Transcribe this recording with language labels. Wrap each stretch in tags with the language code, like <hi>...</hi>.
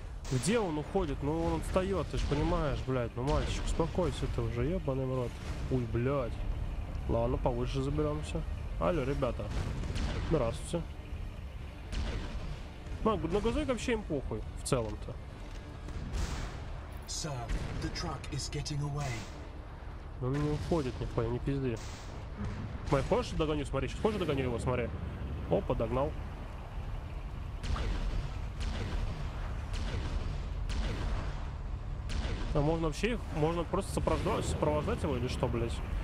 <ru>Где он уходит? Ну он отстает, ты же понимаешь, блядь. Ну мальчик, успокойся ты уже, ебаный в рот. Уй, блядь. Ладно, повыше заберемся. Алло, ребята. Здравствуйте. На, на газовик вообще им похуй, в целом-то.</ru> <en>Sir, the truck is getting away.</en> <ru>Он не уходит, не понял, не пизди. Май, хочешь догоню, смотри, сейчас хочешь догоню его, смотри. Опа, догнал. А можно вообще их, можно просто сопровождать его или что, блять?</ru>